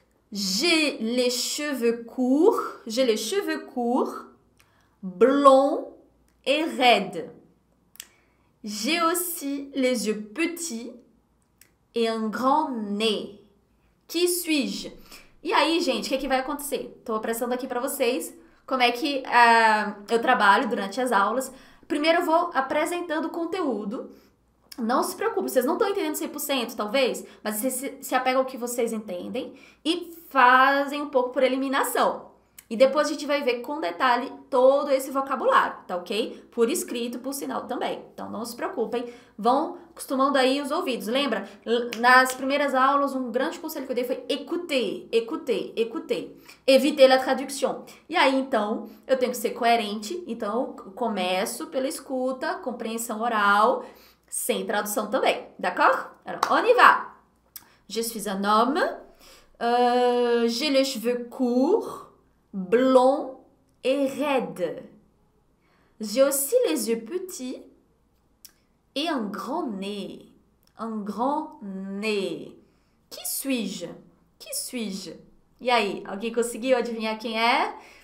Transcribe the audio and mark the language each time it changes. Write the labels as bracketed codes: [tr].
[fr] J'ai les cheveux courts. J'ai les cheveux courts. Blond et raide. J'ai aussi les yeux petits et un grand nez. Qui suis-je? [pt] E aí, gente, o que que vai acontecer? Estou apressando aqui para vocês como é que eu trabalho durante as aulas. Primeiro, eu vou apresentando o conteúdo. Não se preocupe, vocês não estão entendendo 100%, talvez, mas vocês se apegam ao que vocês entendem e fazem um pouco por eliminação. E depois a gente vai ver com detalhe todo esse vocabulário, tá ok? Por escrito, por sinal também. Então não se preocupem, vão acostumando aí os ouvidos. Lembra? Nas primeiras aulas, um grande conselho que eu dei foi [fr] écouter, écouter, écouter. Éviter la traduction. [pt] E aí então, eu tenho que ser coerente. Então começo pela escuta, compreensão oral, sem tradução também, d'accord? [fr] Alors, on y va! Je suis un homme. J'ai les cheveux courts. Blond et raide. J'ai aussi les yeux petits et un grand nez. Un grand nez. Qui suis-je? Qui suis-je? [pt] E aí, alguém conseguiu adivinhar quem é?